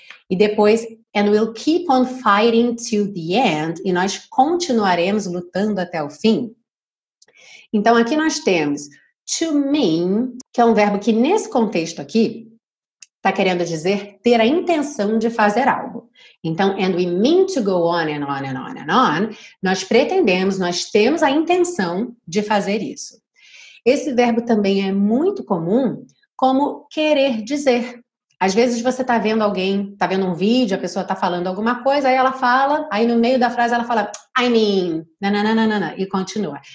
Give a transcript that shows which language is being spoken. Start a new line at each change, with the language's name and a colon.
Portuguese: E depois,
English: and we'll keep on fighting till the end,
Portuguese: e nós continuaremos lutando até o fim. Então, aqui nós temos to mean, que é um verbo que nesse contexto aqui está querendo dizer ter a intenção de fazer algo.
English: Então, and we mean to go on and on and on and on.
Portuguese: Nós pretendemos, nós temos a intenção de fazer isso. Esse verbo também é muito comum como querer dizer. Às vezes você está vendo alguém, está vendo um vídeo, a pessoa está falando alguma coisa, aí ela fala, aí no meio da frase ela fala, I mean, nananana, e continua.